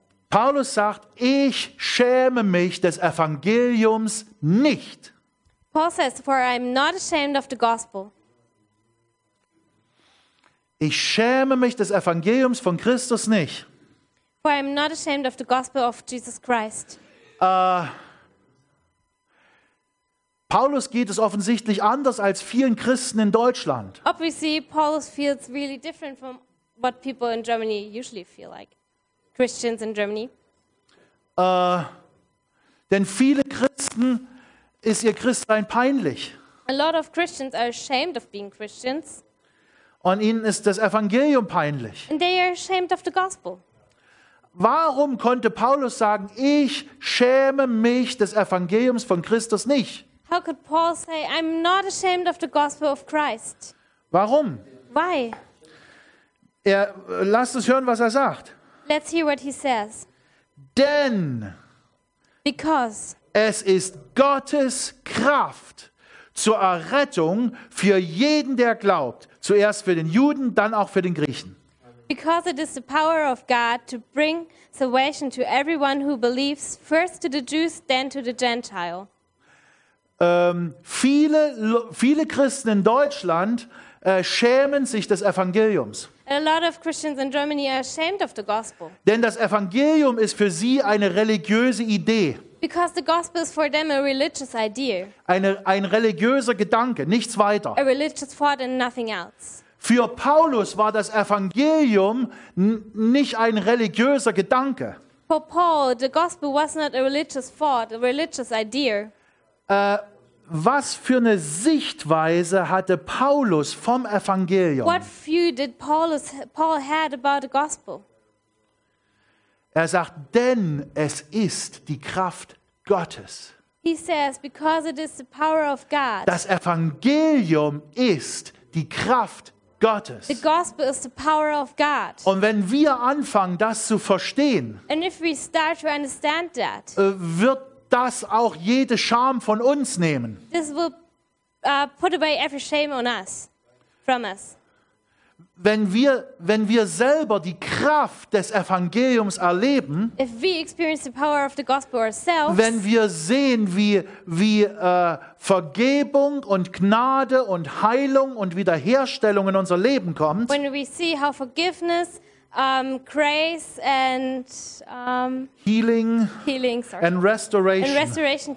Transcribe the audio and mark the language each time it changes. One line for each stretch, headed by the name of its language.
German: Paulus sagt, ich schäme mich des Evangeliums nicht.
English: Paul says, for I am not ashamed of the gospel.
German: Ich schäme mich des Evangeliums von Christus nicht.
English: For I am not ashamed of the gospel of Jesus Christ.
German: Paulus geht es offensichtlich anders als vielen Christen in Deutschland.
English: Obviously, Paulus feels really different from what people in Germany usually feel like. Christians in Germany.
German: Denn viele Christen ist ihr Christsein peinlich.
English: A lot of Christians are ashamed of being Christians.
German: Und ihnen ist das Evangelium peinlich.
English: And they are ashamed of the gospel.
German: Warum konnte Paulus sagen, ich schäme mich des Evangeliums von Christus nicht?
English: How could Paul say, I'm not ashamed of the gospel of Christ?
German: Warum?
English: Why?
German: Lasst uns hören, was er sagt.
English: Let's hear what he says.
German: Denn
English: because
German: es ist Gottes Kraft zur Errettung für jeden, der glaubt. Zuerst für den Juden, dann auch für den Griechen.
English: Because it is the power of God to bring salvation to everyone who believes, first to the Jews, then to the Gentile.
German: Viele Christen in Deutschland schämen sich des Evangeliums.
English: A lot of Christians in Germany are ashamed of the gospel.
German: Denn das Evangelium ist für sie eine religiöse Idee.
English: Because the gospel is for them a religious idea.
German: Ein religiöser Gedanke, nichts weiter.
English: A religious thought and nothing else.
German: Für Paulus war das Evangelium nicht ein religiöser Gedanke.
English: For Paul, the gospel was not a religious thought, a religious idea.
German: Was für eine Sichtweise hatte Paulus vom Evangelium?
English: What view did Paul had about the gospel?
German: Er sagt, denn es ist die Kraft Gottes.
English: He says, because it is the power of God.
German: Das Evangelium ist die Kraft Gottes.
English: The gospel is the power of God.
German: Und wenn wir anfangen, das zu verstehen,
English: and if we start to understand that,
German: wird das auch jede Scham von uns nehmen.
English: This will put away every shame on us, from us.
German: Wenn wir selber die Kraft des Evangeliums erleben,
English: if we experience the power of the gospel ourselves,
German: wenn wir sehen, wie Vergebung und Gnade und Heilung und Wiederherstellung in unser Leben kommt,
English: when we see how forgiveness, grace and healing and restoration